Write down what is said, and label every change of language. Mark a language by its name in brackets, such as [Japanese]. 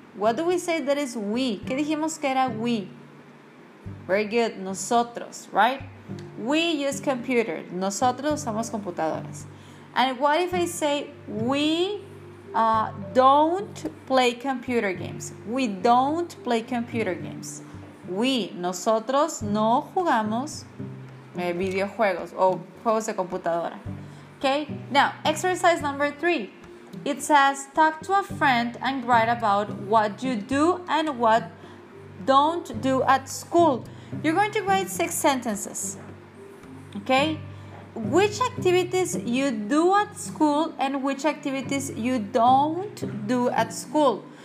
[English] What do we say that is we? [Spanish] ¿Qué dijimos que era [English] we? Very good, nosotros, right? We use computer. [Spanish] Nosotros usamos computadoras. [English] And what if I say we don't play computer games? We don't play computer games. [Spanish] We, nosotros no jugamos videojuegos o juegos de computadora. [English] Okay, now exercise number 3. It says talk to a friend and write about what you do and what don't do at school. You're going to write 6 sentences. Okay? Which activities you do at school and which activities you don't do at school.